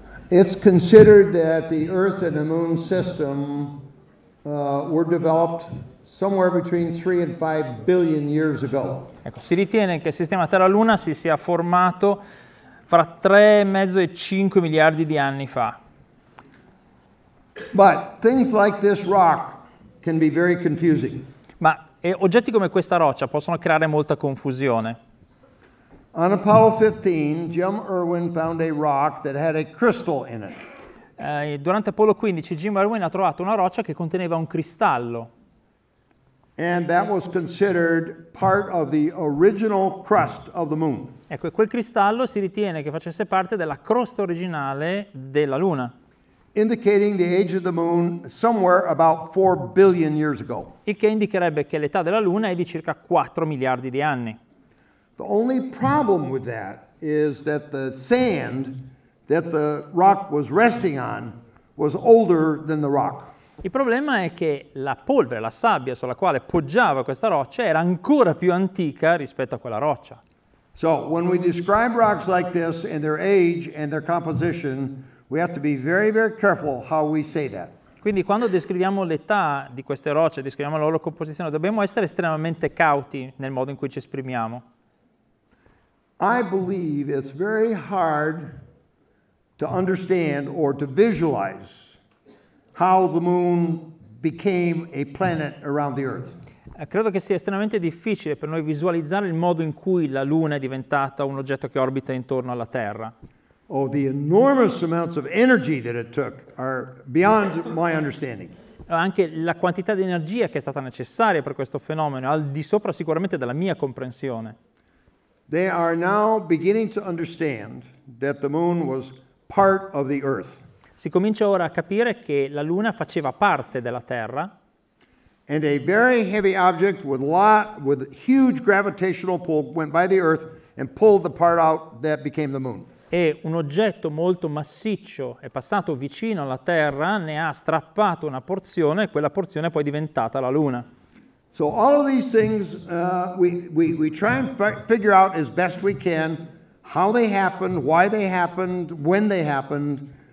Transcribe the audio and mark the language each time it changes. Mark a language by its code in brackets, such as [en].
[en] It's considered that the Earth and the Moon system were developed somewhere between 3 and 5 billion years ago. [it] Ecco, si ritiene che il sistema Terra-Luna si sia formato fra 3,5 e 5 miliardi di anni fa. [en] But things like this rock can be very confusing. [it] Ma oggetti come questa roccia possono creare molta confusione. [en] On Apollo 15, Jim Irwin found a rock that had a crystal in it. [it] Durante Apollo 15, Jim Irwin ha trovato una roccia che conteneva un cristallo. [en] And that was considered part of the original crust of the moon. [it] Ecco, quel cristallo si ritiene che facesse parte della crosta originale della Luna. [en] Indicating the age of the moon somewhere about 4 billion years ago. [it] Il che indicherebbe che l'età della Luna è di circa 4 miliardi di anni. [en] The only problem with that is that the sand that the rock was resting on was older than the rock. [it] Il problema è che la polvere, la sabbia sulla quale poggiava questa roccia era ancora più antica rispetto a quella roccia. [en] So, when we describe rocks like this and their age and their composition, we have to be very, very careful how we say that. [it] Quindi quando descriviamo l'età di queste rocce, descriviamo la loro composizione, dobbiamo essere estremamente cauti nel modo in cui ci esprimiamo. [en] I believe it's very hard to understand or to visualize how the moon became a planet around the Earth. [it] Credo che sia estremamente difficile per noi visualizzare il modo in cui la Luna è diventata un oggetto che orbita intorno alla Terra. [en] Oh, the enormous amounts of energy that it took are beyond my understanding. [it] Anche la quantità di energia che è stata necessaria per questo fenomeno è al di sopra sicuramente della mia comprensione. [en] They are now beginning to understand that the moon was part of the Earth. [it] Si comincia ora a capire che la Luna faceva parte della Terra. [en] And a very heavy object with huge gravitational pull went by the Earth and pulled the part out that became the Moon. [it] E un oggetto molto massiccio è passato vicino alla Terra, ne ha strappato una porzione e quella porzione è poi diventata la Luna. [en] So all of these things we try and figure out as best we can how they happened, why they happened, when they happened.